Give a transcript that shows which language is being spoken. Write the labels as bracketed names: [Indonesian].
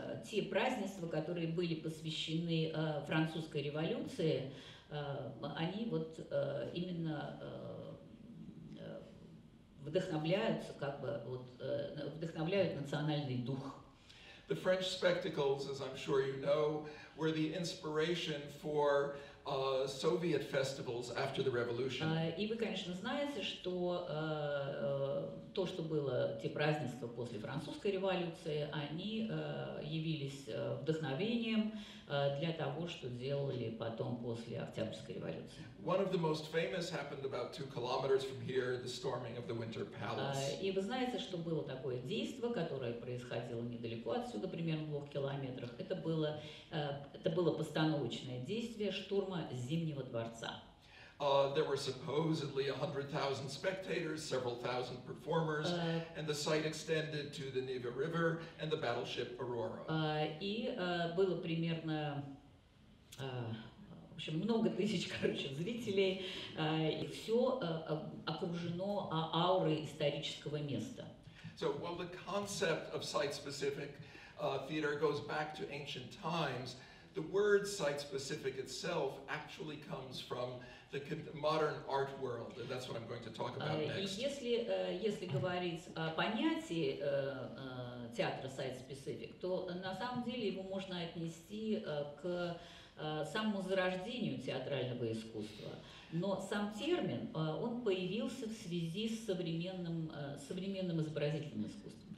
[Russian] Те празднества, которые были посвящены французской революции, они вот именно вдохновляются, как бы вот вдохновляют национальный дух. [English] The French spectacles, as I'm sure you know, were the inspiration for Soviet festivals after the revolution. [Russian] И вы, конечно, знаете, что то, что было те празднества после французской революции, они явились вдохновением для того, что делали потом после октябрьской революции. [English] One of the most famous happened about 2 kilometers from here, the storming of the Winter Palace. [Russian] И вы знаете, что было такое действо, которое происходило недалеко отсюда, примерно в 2 километрах. Это было постановочное действие штурма Зимнего дворца. [English] There were supposedly 100,000 spectators, several thousand performers, and the site extended to the Neva River and the battleship Aurora. [Russian] И было примерно, в общем, много тысяч, короче, зрителей, и все окружено аурой исторического места. [English] So, while the concept of site-specific theater goes back to ancient times, the word site-specific itself actually comes from the modern art world, and that's what I'm going to talk about next. [Russian] Если говорить о понятии театра site-specific, то на самом деле его можно отнести к самому зарождению театрального искусства. Но сам термин, он появился в связи с современным изобразительным искусством.